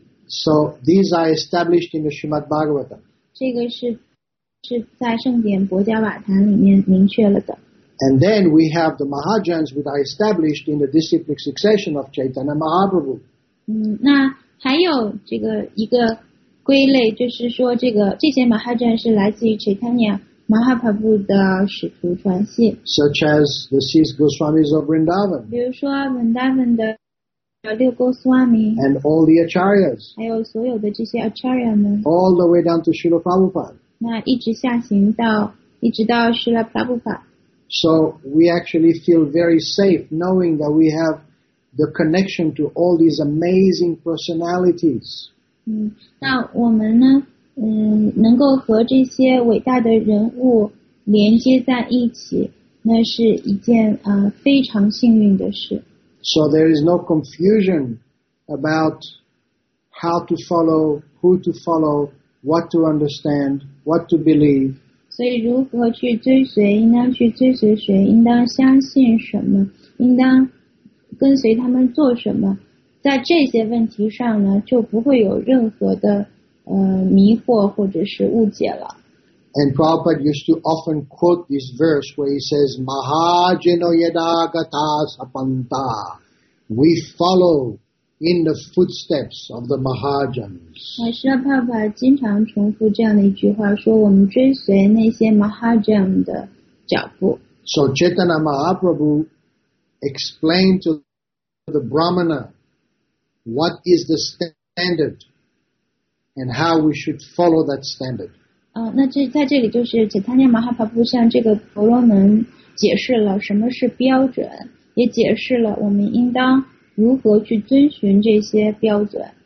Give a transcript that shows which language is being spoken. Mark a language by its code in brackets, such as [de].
[en] So these are established in the Srimad Bhagavatam. [zh] 这个是在圣典博伽瓦坛里面明确了的。 [en] And then we have the Mahajans which are established in the disciplic succession of Chaitanya Mahaprabhu. [zh] 那还有这个一个归类，就是说这些 Mahajan 是来自于 Chaitanya Mahaprabhu 的使徒传系。 [en] Such as the six Goswamis of Vrindavan. [zh] 比如说 Vrindavan 的六 Goswami, [en] and all the Acharyas, [zh] 还有所有的这些 Acharya 们, [en] all the way down to Srila Prabhupada, [zh] 那一直下行到一直到 Srila Prabhupada. [en] So we actually feel very safe knowing that we have the connection to all these amazing personalities. [zh] 那我们呢能够和这些伟大的人物连接在一起，那是一件非常幸运的事。 [en] So there is no confusion about how to follow, who to follow, what to understand, what to believe. [zh] 所以如何去追随，应当去追随谁，应当相信什么，应当跟随他们做什么，在这些问题上呢，就不会有任何的迷惑或者是误解了。 [en] And Prabhupada used to often quote this verse where he says, [sa] Mahajano Yadagata Sapanta. [en] We follow in the footsteps of the Mahajans. [zh] 是的，爸爸经常重复这样的一句话，说我们追随那些 Mahajan 的脚步。 [en] So Chaitanya Mahaprabhu explained to the Brahmana what is the standard and how we should follow that standard. [zh] 那这在这里就是解贪念马哈帕布向这个婆罗门解释了什么是标准，也解释了我们应当如何去遵循这些标准。